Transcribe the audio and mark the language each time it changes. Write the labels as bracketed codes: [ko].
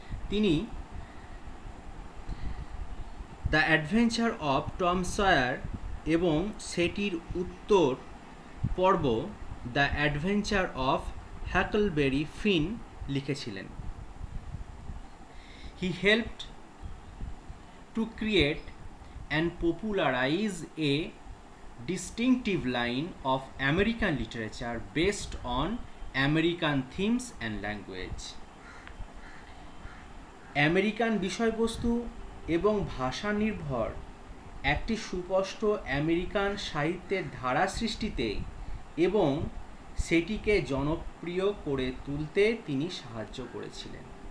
[bn] তিনি the adventure of Tom swear এবং সেটির উত্তর পর্ব দ্য অ্যাডভেঞ্চার অফ হ্যাকলবেরি ফিন লিখেছিলেন। [en] He helped to create and popularize a distinctive line of American literature based on American themes and language. [bn] American বিষয়বস্তু এবং ভাষা নির্ভর একটি সুস্পষ্ট আমেরিকান সাহিত্যের ধারা সৃষ্টিতে এবং সেটিকে জনপ্রিয় করে তুলতে তিনি সাহায্য করেছিলেন।